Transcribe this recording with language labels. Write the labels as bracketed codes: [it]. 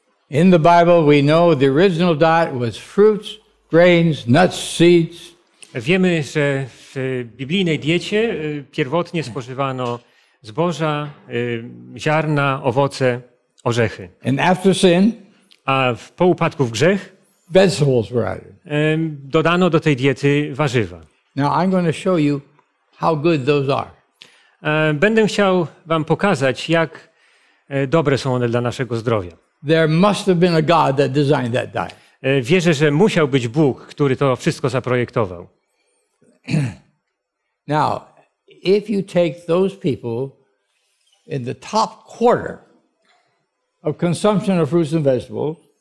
[en] In the Bible we know the original diet was fruits, grains, nuts, seeds. [pl] Wiemy, że w biblijnej diecie pierwotnie spożywano zboża, ziarna, owoce, orzechy. [en] And after sin, [pl] a po upadku w grzech [en] vegetables were added. [pl] Dodano do tej diety warzywa. [en] Now I'm going to show you how good those are. [pl] Będę chciał wam pokazać, jak dobre są one dla naszego zdrowia. [en] There must have been a God that designed that diet. [pl] Wierzę, że musiał być Bóg, który to wszystko zaprojektował. [en] Now, if you take those people in the top quarter of consumption of fruits and vegetables,